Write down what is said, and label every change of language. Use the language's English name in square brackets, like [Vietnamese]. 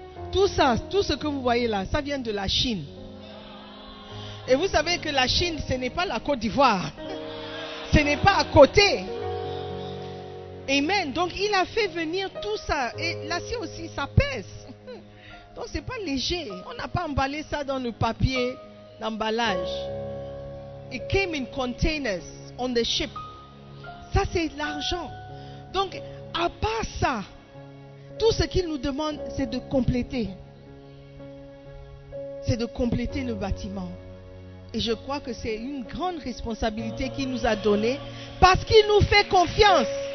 [French] Tout ça, tout ce que vous voyez là, ça vient de la Chine. Et vous savez que la Chine, ce n'est pas la Côte d'Ivoire. Ce n'est pas à côté. Amen. Donc, il a fait venir tout ça. Et l'acier aussi, ça pèse. Donc, ce n'est pas léger. On n'a pas emballé ça dans le papier d'emballage. [English] It came in containers on the ship. [French] Ça, c'est l'argent. Donc, à part ça, tout ce qu'il nous demande, c'est de compléter. C'est de compléter le bâtiment. Et je crois que c'est une grande responsabilité qu'il nous a donnée parce qu'il nous fait confiance.